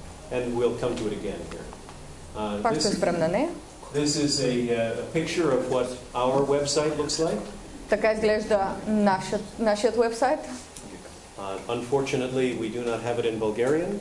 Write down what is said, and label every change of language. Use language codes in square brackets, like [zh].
[en] And we'll come to it again here. [bg] Пак ще спрем на нея. [en] This is a picture of what our website looks like. [bg] Така изглежда нашият уебсайт. [en] Unfortunately, we do not have it in Bulgarian.